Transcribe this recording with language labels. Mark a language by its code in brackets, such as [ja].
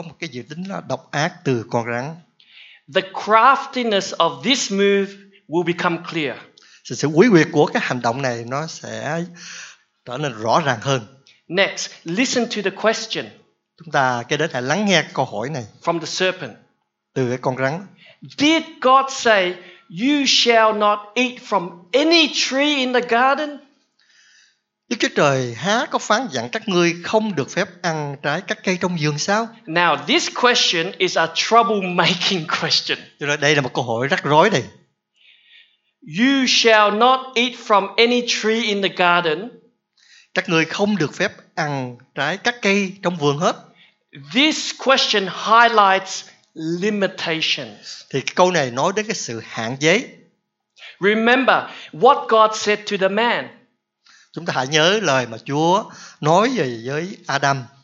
[vi] Dự tính là độc ác từ con rắn. [en] The craftiness of this move will become clear. [vi] Sự quý quyệt của cái hành động này nó sẽ trở nên rõ ràng hơn. [en] Next, listen to the question. [vi] Chúng ta kế đến hãy lắng nghe câu hỏi này. [en] From the serpent. [vi] Từ cái con rắn. [en] Did God say, "You shall not eat from any tree in the garden"? [vi] Đức Chúa Trời há có phán dặn các ngươi không được phép ăn trái các cây trong vườn sao? [en] Now this question is a troublemaking question. [vi] Đây là một câu hỏi rắc rối đây. [en] You shall not eat from any tree in the garden. [vi] Các ngươi không được phép ăn trái các cây trong vườn hết. [en] This question highlights limitations. [vi] Thì câu này nói đến cái sự hạn chế. [en] Remember what God said to the man. [vi] Chúng ta hãy nhớ lời mà Chúa nói về với Adam.